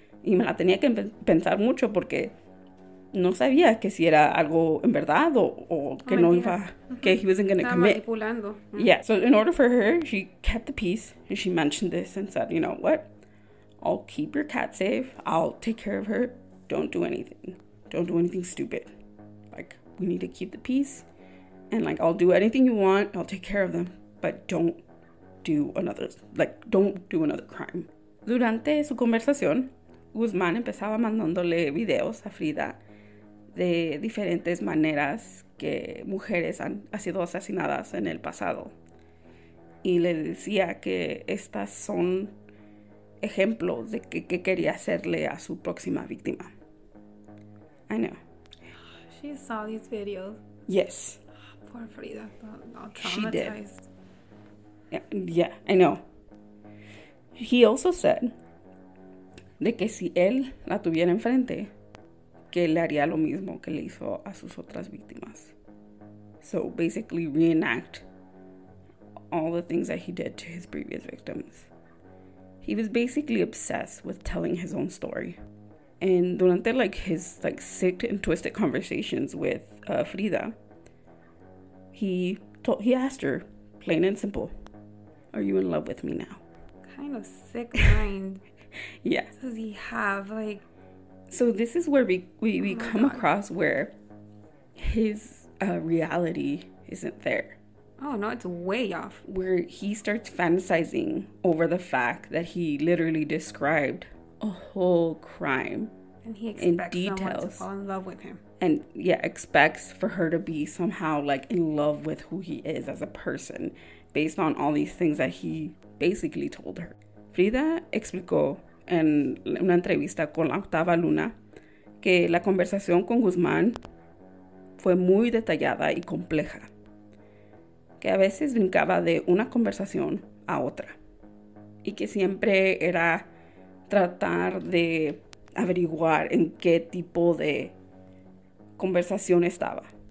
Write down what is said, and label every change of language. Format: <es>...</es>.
<es>Y me la tenía que pensar mucho porque no sabía que si era algo en verdad o que oh, no iba, mm-hmm. que</es> <en>he wasn't gonna</en> <es>estaba</es> <en>commit.</en> <es>Manipulando. Mm-hmm.</es> <en>Yeah, so in order for her, she kept the peace and she mentioned this and said, you know what? I'll keep your cat safe. I'll take care of her. Don't do anything. Don't do anything stupid. Like, we need to keep the peace. And, like, I'll do anything you want. I'll take care of them. But don't do another crime.</en> <es>Durante su conversación, Guzmán empezaba mandándole videos a Frida de diferentes maneras que mujeres han sido asesinadas en el pasado. Y le decía que estas son ejemplo de que quería hacerle a su próxima víctima.</es> <en>I know. She saw these videos. Yes. Poor Frida. All traumatized. She did. Yeah, I know. He also said</en> <es>de que si él la tuviera enfrente, que le haría lo mismo que le hizo a sus otras víctimas.</es> <en>So basically reenact all the things that he did to his previous victims. He was basically obsessed with telling his own story. And</en> <es>durante,</es> <en>like, his, like, sick and twisted conversations with Frida, he asked her, plain and simple, are you in love with me now? Kind of sick mind. Yeah. Does he have, like... So this is where we come across where his reality isn't there. Oh, no, it's way off. Where he starts fantasizing over the fact that he literally described a whole crime in details. And he expects someone to fall in love with him. And, yeah, expects for her to be somehow, like, in love with who he is as a person based on all these things that he basically told her.</en> <es>Frida explicó en una entrevista con la Octava Luna que la conversación con Guzmán fue muy detallada y compleja. Que a veces brincaba de una conversación a otra. Y que siempre era tratar de averiguar en qué tipo de conversación estaba.</es>